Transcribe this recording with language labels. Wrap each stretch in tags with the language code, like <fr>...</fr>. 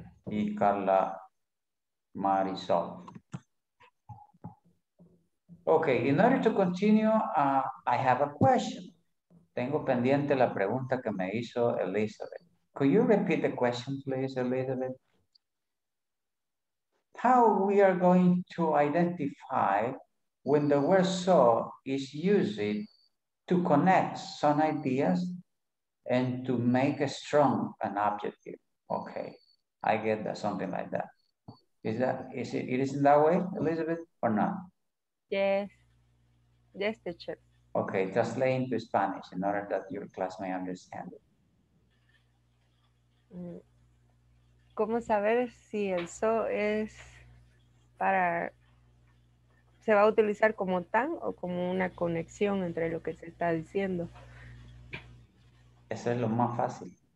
<es>Y Carla Marisol.</es> <en>Okay, in order to continue, I have a question.</en> <es>Tengo pendiente la pregunta que me hizo Elizabeth.</es> <en>Could you repeat the question, please, Elizabeth? How we are going to identify when the word so is used to connect some ideas and to make a strong an objective? Okay, I get that, something like that. Is it that way, Elizabeth, or not? Yes. Yes, teacher. Okay, translate into Spanish in order that your class may understand it.</en> <es>¿Cómo saber si el so es para, se va a utilizar como tan o como una conexión entre lo que se está diciendo? Eso es lo más fácil.</es>